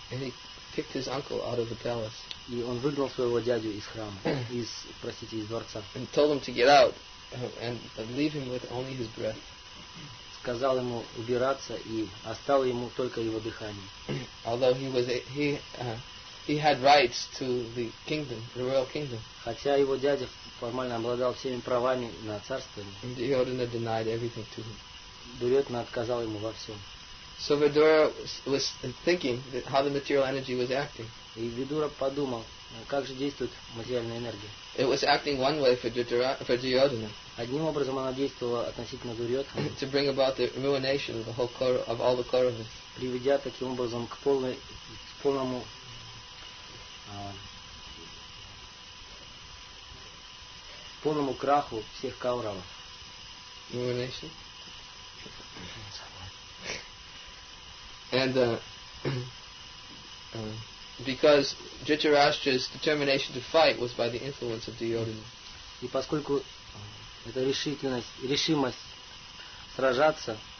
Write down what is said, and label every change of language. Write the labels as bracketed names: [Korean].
[English] And he kicked his uncle out of the palace. [Russian] И он выгнал своего дядю из храма, из дворца. [English] And told him to get out and leave him with only his breath. [Russian] Сказал ему убираться и оставил ему только его дыхание. [English] Although he had rights to the kingdom, the royal kingdom. [Russian] Хотя его дядя формально обладал всеми правами на царство. [English] Duryodhana denied everything to him. [Russian] Duryodhana отказал ему во всем. [English] So Vidura was thinking that how the material energy was acting. [Russian] И Видура подумал, как же действует материальная энергия. [English] It was acting one way for Duryodhana. [Russian] Одним образом она действовала относительно Duryodhana. [English] To bring about the ruination of all the Kauravas. [Russian] Приведя таким образом к полному полному краху всех Кауравов. [English] Ruination. And because Dhritarashtra's determination to fight was by the influence of Duryodhana. [Russian] И поскольку эта решимость сражаться,